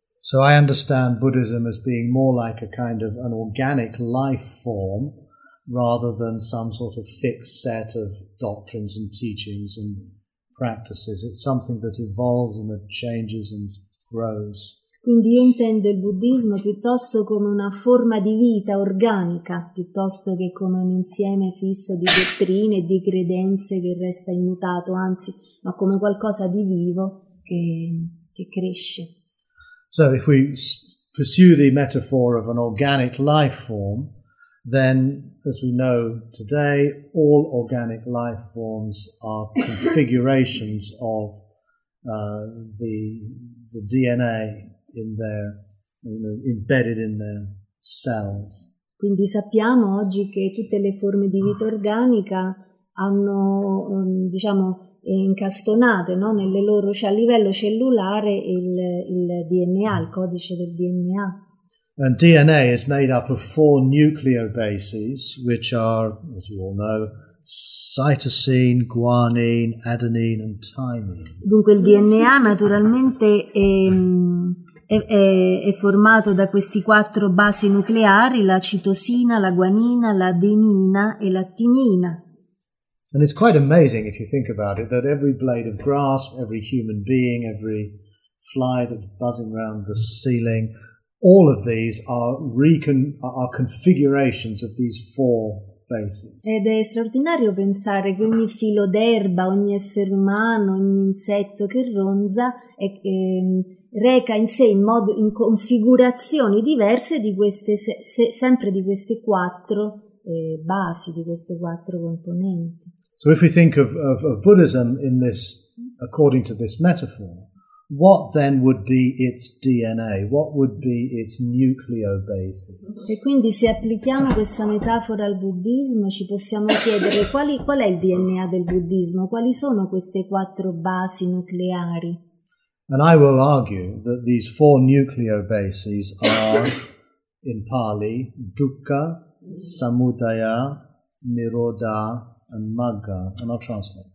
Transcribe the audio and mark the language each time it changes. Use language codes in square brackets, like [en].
[en] So I understand Buddhism as being more like a kind of an organic life form, rather than some sort of fixed set of doctrines and teachings and practices. It's something that evolves and that changes and grows. [it] Quindi io intendo il buddismo piuttosto come una forma di vita organica, piuttosto che come un insieme fisso di dottrine e di credenze che resta immutato, anzi, ma come qualcosa di vivo che cresce. [en] So if we pursue the metaphor of an organic life form, then, as we know today, all organic life forms are configurations of the DNA in their, you know, embedded in their cells. [it] Quindi sappiamo oggi che tutte le forme di vita organica hanno, diciamo, incastonate, no, nelle loro, cioè a livello cellulare, il DNA, il codice del DNA. [en] And DNA is made up of four nucleobases, which are, as you all know, cytosine, guanine, adenine, and thymine. [it] Dunque il DNA naturalmente è formato da questi quattro basi nucleari, la citosina, la guanina, la adenina e la timina. [en] And it's quite amazing if you think about it, that every blade of grass, every human being, every fly that's buzzing around the ceiling, all of these are configurations of these four bases. [it] Ed è straordinario pensare che ogni filo d'erba, ogni essere umano, ogni insetto che ronza reca in sé in configurazioni diverse di queste sempre di queste quattro basi, di queste quattro componenti. [en] So if we think of Buddhism in this, according to this metaphor, what then would be its DNA? What would be its nucleobases? [it] E quindi se applichiamo questa metafora al buddismo, ci possiamo chiedere qual è il DNA del buddismo? Quali sono queste quattro basi nucleari? [en] And I will argue that these four nucleobases are, in Pali, dukkha, samudaya, nirodha, and magga, and I'll translate.